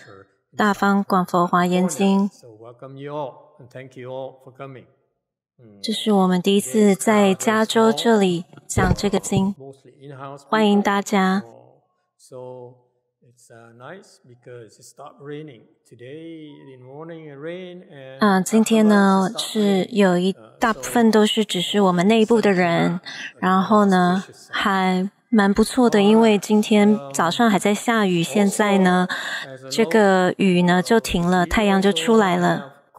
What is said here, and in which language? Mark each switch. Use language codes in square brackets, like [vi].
[zh] 我们继续在这里讲解这个大方广佛华严经. [en] So welcome you all and thank you all for coming. [zh] 这是我们第一次在加州这里讲这个经， 欢迎大家。 [en] So it's nice because it stopped raining today in morning it rained and [zh] 今天呢是有一大部分都是只是我们内部的人，然后呢还蛮不错的，因为今天早上还在下雨，现在呢这个雨呢就停了，太阳就出来了。